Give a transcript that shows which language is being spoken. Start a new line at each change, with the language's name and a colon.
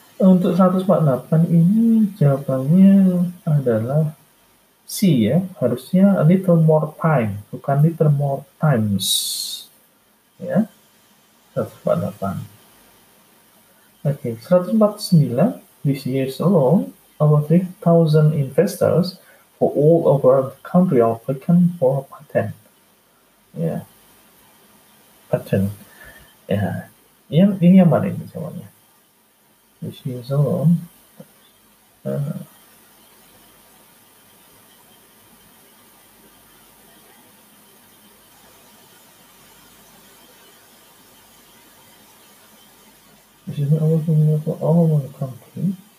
Indonesian: Untuk 148 ini jawabannya adalah C ya, harusnya
English: a little more time,
Indonesian: bukan
English: little more times
Indonesian: ya, 148. Oke, okay.
English: 149, this year alone, over 3,000 investors for all over the country are applying for a patent.
Indonesian: Ya, patent. Ya, ini yang mana ini jawabannya?
English: This year alone. This is our community for all over the country.